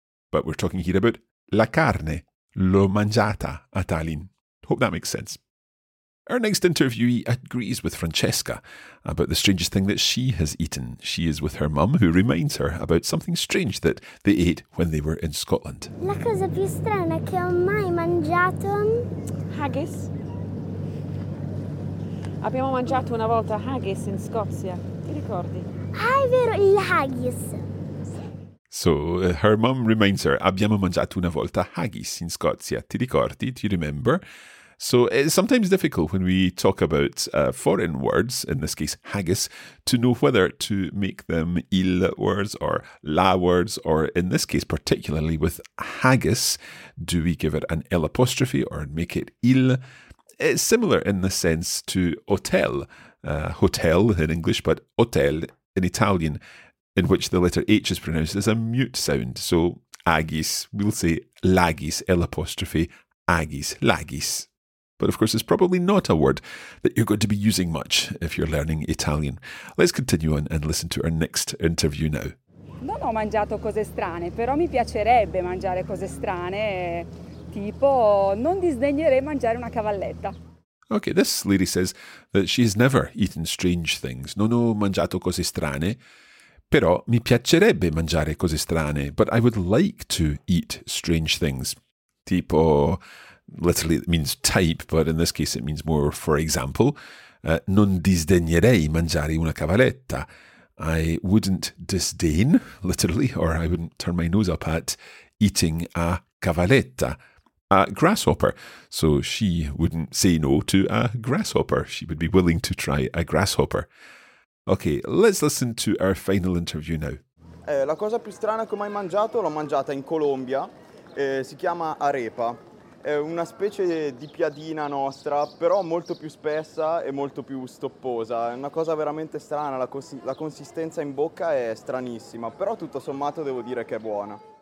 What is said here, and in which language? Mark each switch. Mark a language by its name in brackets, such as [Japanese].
[English] But we're talking here about [Italian] la carne, l'ho mangiata a Tallinn. [English] Hope that makes sense. Our next interviewee agrees with Francesca about the strangest thing that she has eaten. She is with her mum, who reminds her about something strange that they ate when they were in Scotland. [Italian] La cosa più strana che ho mai mangiato... Haggis. Abbiamo mangiato una volta haggis in Scozia. Ti ricordi? Ah, è vero, il haggis. [English] So, her mum reminds her, [Italian] abbiamo mangiato una volta haggis in Scozia. Ti ricordi? [English] Do you remember? So it's sometimes difficult when we talk about foreign words, in this case haggis, to know whether to make them il words or la words, or in this case, particularly with haggis, do we give it an il apostrophe or make it il? It's similar in the sense to hotel, hotel in English, but hotel in Italian, in which the letter H is pronounced as a mute sound. So agis, we'll say lagis, il apostrophe, agis, lagis. But of course, it's probably not a word that you're going to be using much if you're learning Italian. Let's continue on and listen to our next interview now. [Italian] Non ho mangiato cose strane, però mi piacerebbe mangiare cose strane, tipo non disdegnerei mangiare una cavalletta. [English] Okay, this lady says that she's never eaten strange things. [Italian] Non ho mangiato cose strane, però mi piacerebbe mangiare cose strane, [English] but I would like to eat strange things, [Italian] tipo... [English] Literally, it means type, but in this case, it means more, for example, [Italian] non disdegnerei mangiare una cavaletta. [English] I wouldn't disdain, literally, or I wouldn't turn my nose up at eating a cavaletta, a grasshopper. So she wouldn't say no to a grasshopper. She would be willing to try a grasshopper. Okay, let's listen to our final interview now. [Italian] La cosa più strana che ho mai mangiato l'ho mangiata in Colombia. Si chiama arepa. È una specie di piadina nostra, però molto più spessa e molto più stopposa. È una cosa veramente strana, la consistenza in bocca è stranissima, però tutto sommato devo dire che è buona.